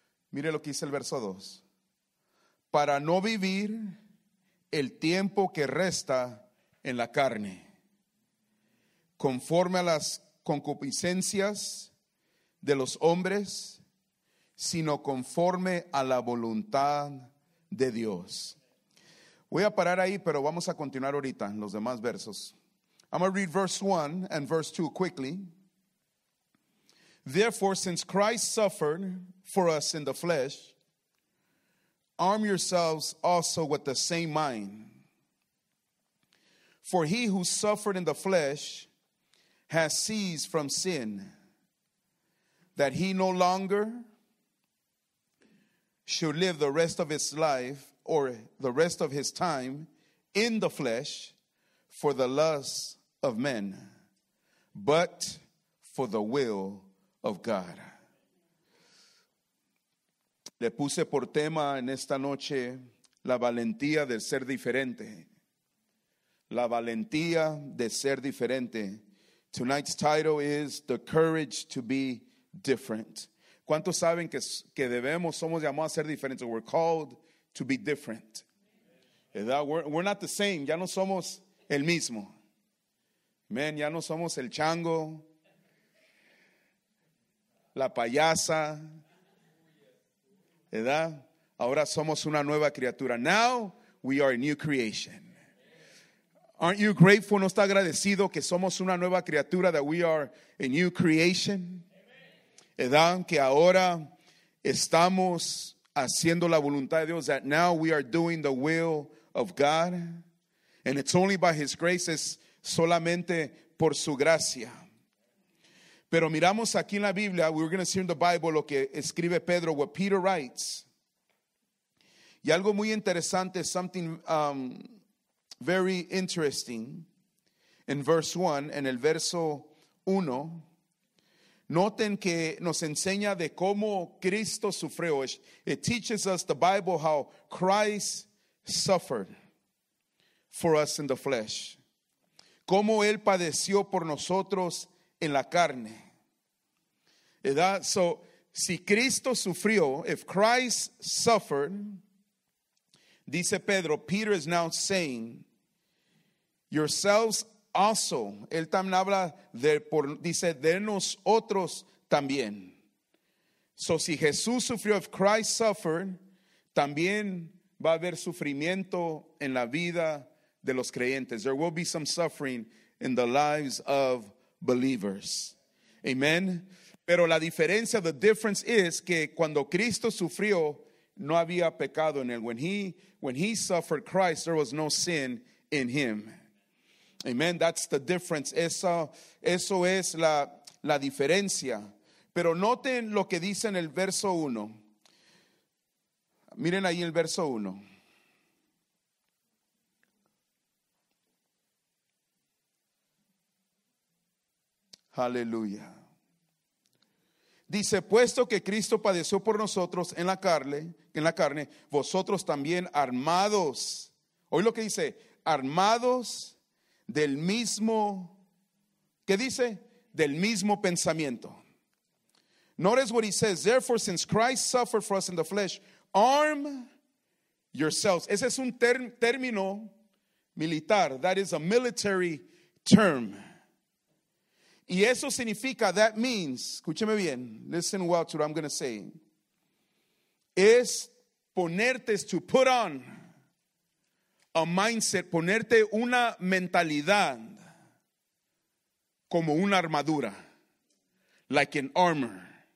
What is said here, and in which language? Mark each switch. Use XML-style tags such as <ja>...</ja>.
<es>Mire lo que dice el verso 2. Para no vivir el tiempo que resta en la carne, conforme a las concupiscencias de los hombres, sino conforme a la voluntad de Dios. Voy a parar ahí, pero vamos a continuar ahorita en los demás versos.</es> <en>I'm going to read verse 1 and verse 2 quickly. Therefore, since Christ suffered for us in the flesh, arm yourselves also with the same mind. For he who suffered in the flesh has ceased from sin, that he no longer should live the rest of his life or the rest of his time in the flesh for the lusts of men, but for the will of God.</en> <es>Le puse por tema en esta noche la valentía de ser diferente. La valentía de ser diferente.</es> <en>Tonight's title is The Courage to be Different.</en> <es>¿Cuántos saben que debemos, somos llamados a ser diferentes?</es> <en>We're called to be different. We're not the same.</en> <es>Ya no somos el mismo. Man, ya no somos el chango, la payasa. ¿Verdad? Ahora somos una nueva criatura.</es> <en>Now we are a new creation. Aren't you grateful?</en> <es>¿No está agradecido que somos una nueva criatura?</es> <en>That we are a new creation.</en> <es>¿Verdad? Que ahora estamos haciendo la voluntad de Dios.</es> <en>That now we are doing the will of God. And it's only by His grace.</en> <es>Es solamente por su gracia. Pero miramos aquí en la Biblia,</es> <en>we're going to see in the Bible</en> <es>lo que escribe Pedro,</es> <en>what Peter writes.</en> <es>Y algo muy interesante,</es> <en>something very interesting, in verse 1,</en> <es>en el verso 1, noten que nos enseña de cómo Cristo sufrió.</es> <en>It teaches us the Bible how Christ suffered for us in the flesh.</en> <es>Cómo Él padeció por nosotros en la carne. So, si Cristo sufrió,</es> <en>if Christ suffered,</en> <es>dice Pedro,</es> <en>Peter is now saying, yourselves also,</en> <es>él también habla, dice, de nosotros también. So, si Jesús sufrió,</es> <en>if Christ suffered,</en> <es>también va a haber sufrimiento en la vida de los creyentes.</es> <en>There will be some suffering in the lives of believers.</en> <es>Amen. Pero la diferencia,</es> <en>the difference is</en> <es>que cuando Cristo sufrió, no había pecado en él.</es> <en>When he suffered Christ, there was no sin in him. Amen. That's the difference.</en> <es>Eso es la diferencia. Pero noten lo que dice en el verso 1. Miren ahí el verso 1. Aleluya. Dice, puesto que Cristo padeció por nosotros en la carne, vosotros también armados. Oí lo que dice, armados del mismo, ¿qué dice? Del mismo pensamiento.</es> <en>Notice what he says, therefore, since Christ suffered for us in the flesh, arm yourselves.</en> <es>Ese es un término militar,</es> <en>that is a military term.</en> <es>Y eso significa,</es> <en>that means,</en> <es>escúcheme bien,</es> <en>listen well to what I'm going to say,</en> <es>es ponerte, es</es> <en>to put on a mindset,</en> <es>ponerte una mentalidad como una armadura,</es> <en>like an armor.</en>